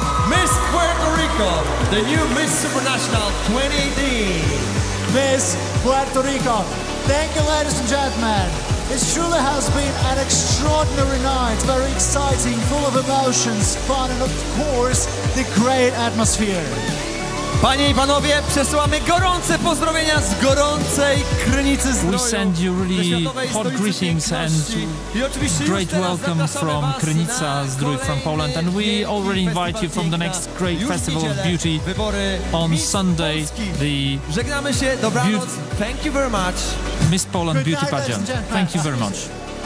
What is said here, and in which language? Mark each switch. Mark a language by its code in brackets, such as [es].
[en] Miss Puerto Rico, the new Miss Supernational 2018. Miss Puerto Rico. Thank you, ladies and gentlemen. It truly has been an extraordinary night, very exciting, full of emotions, fun, and of course, the great atmosphere. [pl] Panie i panowie, przesyłamy gorące pozdrowienia z gorącej Krynicy Zdroju. [en] We send you really hot greetings and great welcome from Krynica Zdrój, from Poland. And we already invite you from the next great Festival of Beauty on Sunday. [pl] Żegnamy się, dobranoc, [en] thank you very much. Miss Poland Beauty Pageant, thank you very much.